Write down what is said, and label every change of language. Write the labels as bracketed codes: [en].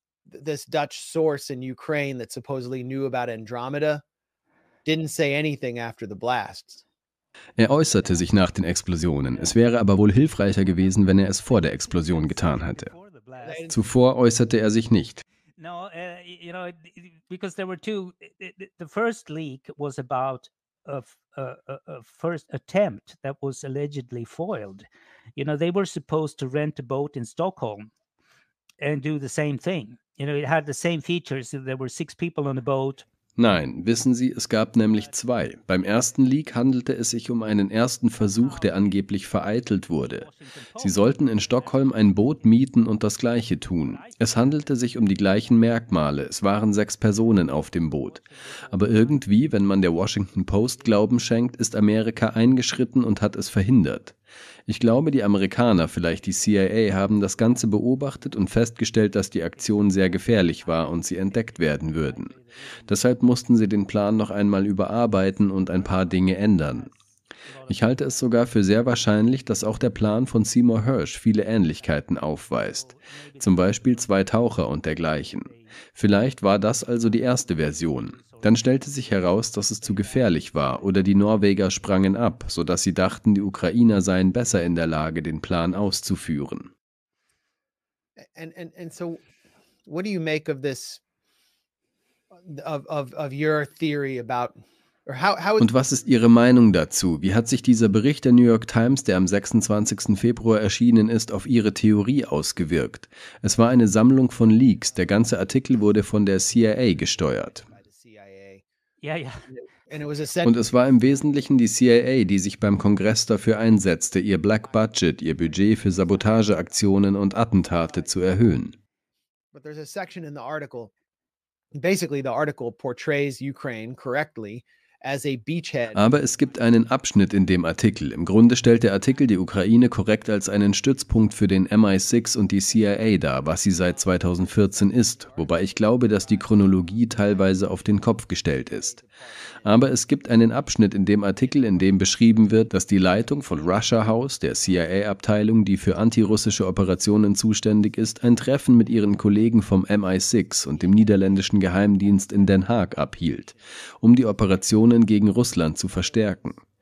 [en] This Dutch source in Ukraine that supposedly knew about Andromeda didn't say anything after the blasts. [de] Er äußerte sich nach den Explosionen. Es wäre aber wohl hilfreicher gewesen, wenn er es vor der Explosion getan hätte. Zuvor äußerte er sich nicht. [en] No, you know, because there were two. The first leak was about a first attempt that was allegedly foiled. You know, they were supposed to rent a boat in Stockholm and do the same thing. You know, it had the same features. There were six people on the boat. [de] Nein, wissen Sie, es gab nämlich zwei. Beim ersten Leak handelte es sich um einen ersten Versuch, der angeblich vereitelt wurde. Sie sollten in Stockholm ein Boot mieten und das Gleiche tun. Es handelte sich um die gleichen Merkmale, es waren sechs Personen auf dem Boot. Aber irgendwie, wenn man der Washington Post Glauben schenkt, ist Amerika eingeschritten und hat es verhindert. Ich glaube, die Amerikaner, vielleicht die CIA, haben das Ganze beobachtet und festgestellt, dass die Aktion sehr gefährlich war und sie entdeckt werden würden. Deshalb mussten sie den Plan noch einmal überarbeiten und ein paar Dinge ändern. Ich halte es sogar für sehr wahrscheinlich, dass auch der Plan von Seymour Hersh viele Ähnlichkeiten aufweist. Zum Beispiel zwei Taucher und dergleichen. Vielleicht war das also die erste Version. Dann stellte sich heraus, dass es zu gefährlich war, oder die Norweger sprangen ab, sodass sie dachten, die Ukrainer seien besser in der Lage, den Plan auszuführen. [en] And so, what do you make of this, of your theory about... [de] Und was ist Ihre Meinung dazu? Wie hat sich dieser Bericht der New York Times, der am 26. Februar erschienen ist, auf Ihre Theorie ausgewirkt? Es war eine Sammlung von Leaks. Der ganze Artikel wurde von der CIA gesteuert. [en] Yeah, yeah. [de] Und es war im Wesentlichen die CIA, die sich beim Kongress dafür einsetzte, ihr Black Budget, ihr Budget für Sabotageaktionen und Attentate zu erhöhen. [en] But there's a section in the article. Basically, the article portrays Ukraine correctly. [de] Aber es gibt einen Abschnitt in dem Artikel. Im Grunde stellt der Artikel die Ukraine korrekt als einen Stützpunkt für den MI6 und die CIA dar, was sie seit 2014 ist, wobei ich glaube, dass die Chronologie teilweise auf den Kopf gestellt ist. Aber es gibt einen Abschnitt in dem Artikel, in dem beschrieben wird, dass die Leitung von Russia House, der CIA-Abteilung, die für antirussische Operationen zuständig ist, ein Treffen mit ihren Kollegen vom MI6 und dem niederländischen Geheimdienst in Den Haag abhielt, um die Operation gegen Russland zu verstärken.